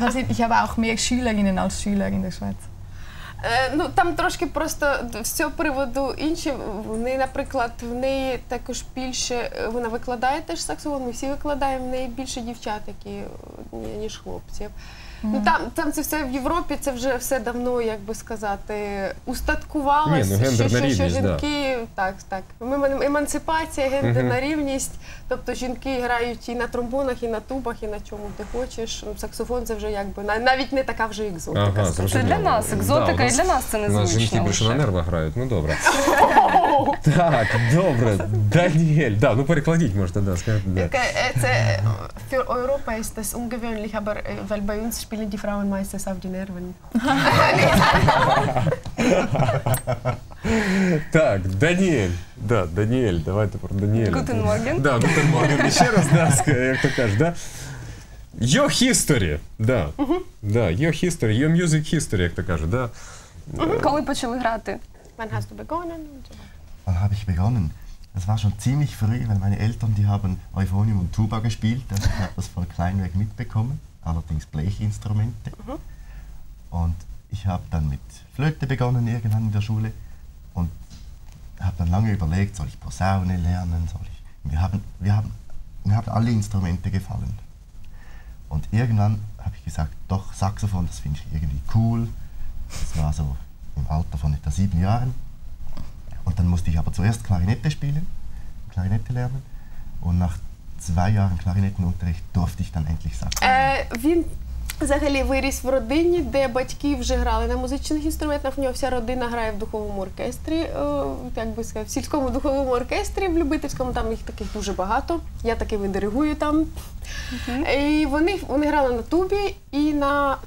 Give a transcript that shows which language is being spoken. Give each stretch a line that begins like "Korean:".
German: Ich habe auch mehr Schülerinnen als Schüler in der Schweiz.
Ukrainian: Там трошки просто з цього приводу інші. Наприклад, в неї також більше, вона викладає теж саксофон, ми всі викладаємо, в неї більше дівчат, ніж хлопців. Ну, там це все в Європі, це вже все давно, як би сказати, устаткувалося. Ні, ну, гендерна рівність, що жінки, да. Так, так. Емансипація, гендерна рівність. Тобто жінки грають і на тромбонах, і на тубах, і на чому ти хочеш. Саксофон це вже якби навіть не така вже екзотика. Ага, це для нас екзотика, да, і для нас це незвично. У нас жінки більше на нервах грають, ну добре. Так, добре. Даніель, да, ну перекладіть, можете, да, сказати. Це
German: für Europa ist das ungewöhnlich, aber weil bei uns spielen die Frauen meistens auf die Nerven.
Ukrainian: Так, Даніель. Да, Даніель, давайте про Даніеля.
German: Guten Morgen. Да, Guten Morgen.
Ukrainian: Ще раз, да, як то кажеш, да?
English: Your history, да.
Ukrainian: Да,
English: your history, your music history,
Ukrainian: як то кажеш, да? Коли почали грати?
German: Wann hast du begonnen? Wann habe ich begonnen? Das war schon ziemlich früh, weil meine Eltern, die haben Euphonium und Tuba gespielt. Also ich habe das von klein weg mitbekommen, allerdings Blechinstrumente. Und ich habe dann mit Flöte begonnen irgendwann in der Schule und habe dann lange überlegt, soll ich Posaune lernen, soll ich... Mir haben alle Instrumente gefallen. Und irgendwann habe ich gesagt, doch, Saxophon, das finde ich irgendwie cool. Das war so im Alter von etwa 7 Jahren. Und dann musste ich aber zuerst Klarinette spielen, Klarinette lernen. Und nach 2 Jahren Klarinettenunterricht durfte ich dann endlich Saxophon.
Ukrainian: Він взагалі виріс в родині, де батьки вже грали на музичних інструментах. У нього вся родина грає в духовому оркестрі, як би сказав, в сільському духовому оркестрі, в любительському, там їх таких дуже багато. Я таки видиригую там. І вони грали на тубі і на...